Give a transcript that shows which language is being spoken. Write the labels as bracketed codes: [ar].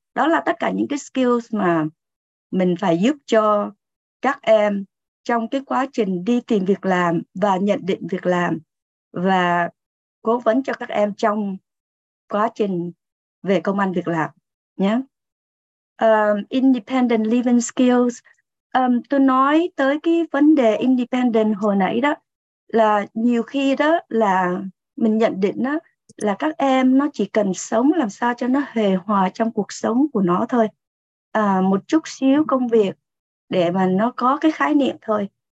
[vi] Đó là tất cả những cái skills mà mình phải giúp cho các em trong cái quá trình đi tìm việc làm và nhận định việc làm và cố vấn cho các em trong quá trình về công ăn việc làm nhé. [en] Independent living skills. [vi] Tôi nói tới cái vấn đề independent hồi nãy đó, là nhiều khi đó là mình nhận định đó là các em nó chỉ cần sống làm sao cho nó hề hòa trong cuộc sống của nó thôi, một chút xíu công việc để mà nó có cái khái niệm thôi.